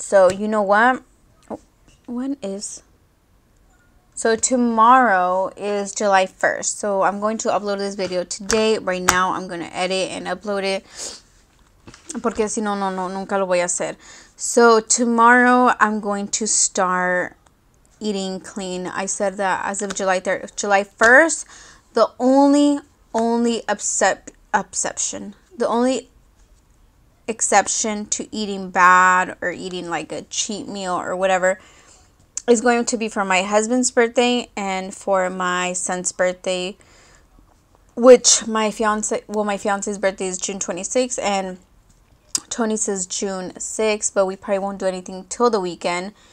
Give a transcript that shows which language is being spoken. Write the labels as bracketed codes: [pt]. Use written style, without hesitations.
[en] So, you know what? When is? So, tomorrow is July 1st. So, I'm going to upload this video today. Right now, I'm going to edit and upload it. [es] Porque si no, no, no, nunca lo voy a hacer. [en] So, tomorrow, I'm going to start eating clean. I said that as of July 1st. The only exception to eating bad or eating like a cheat meal or whatever is going to be for my husband's birthday and for my son's birthday, which my fiance's birthday is June 26th and Tony's is June 6th, but we probably won't do anything till the weekend.